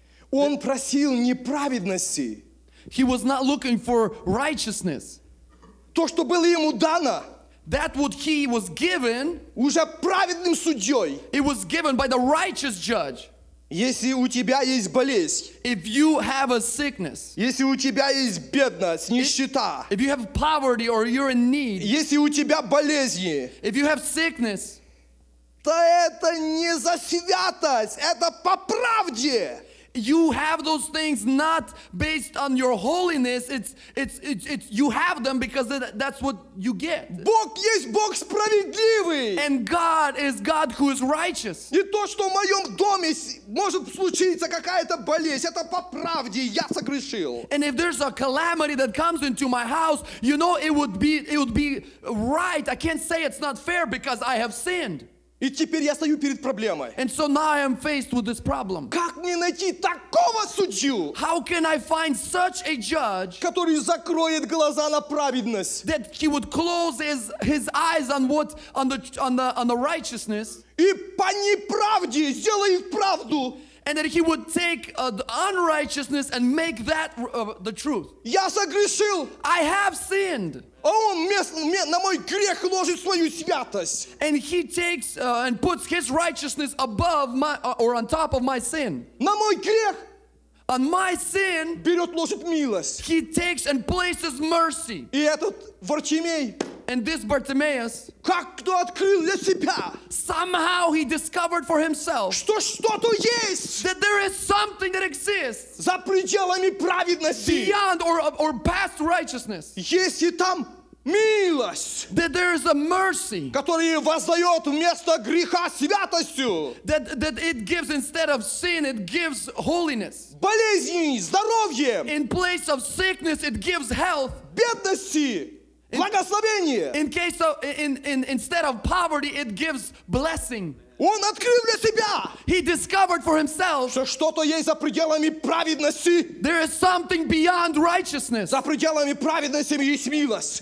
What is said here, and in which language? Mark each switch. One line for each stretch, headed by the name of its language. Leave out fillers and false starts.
Russian: Он просил неправедности.
English: He was not looking for righteousness.
Russian: То, что было ему дано.
English: That what he was given,
Russian: уже праведным судьей,
English: it was given by the righteous judge.
Russian: Если у тебя есть болезнь,
English: if you have a sickness,
Russian: если у тебя есть бедность, нищета,
English: if you have poverty or you're in need,
Russian: если у тебя болезни,
English: if you have sickness,
Russian: то это не за святость, это по правде.
English: You have those things not based on your holiness. It's you have them because that's what you get.
Russian: Бог есть Бог справедливый.
English: And God is God who is righteous.
Russian: И то, что в моем доме может случиться какая-то болезнь, это по правде я согрешил.
English: And if there's a calamity that comes into my house, you know it would be right. I can't say it's not fair because I have sinned.
Russian: И теперь я стою перед проблемой.
English: And so now I am faced with this problem.
Russian: Как мне найти такого судью?
English: How can I find such a judge?
Russian: Который закроет глаза на праведность.
English: That he would close his eyes on what on the righteousness.
Russian: И по неправде сделает правду.
English: And that he would take the unrighteousness and make that the truth.
Russian: Я согрешил.
English: I have sinned.
Russian: А он на мой грех ложит свою святость.
English: And he takes and puts his righteousness above my or on top of my sin.
Russian: На мой грех.
English: On my sin.
Russian: Берет, ложит милость.
English: He takes and places mercy.
Russian: И этот Варчимей.
English: And this Bartimaeus,
Russian: как кто открыл для себя,
English: somehow he discovered for himself,
Russian: что что-то есть,
English: that there is something that exists,
Russian: за пределами праведности,
English: beyond or past righteousness,
Russian: есть и там милость,
English: that there is a mercy,
Russian: которая воздает вместо греха святостью,
English: that it gives instead of sin, it gives holiness,
Russian: болезни, здоровье,
English: in place of sickness, it gives health,
Russian: бедности, благословение.
English: Instead of poverty, it gives blessing.
Russian: Он открыл для себя.
English: He discovered for himself.
Russian: Что что-то есть за пределами праведности.
English: There is something beyond righteousness.
Russian: За пределами праведности есть милость.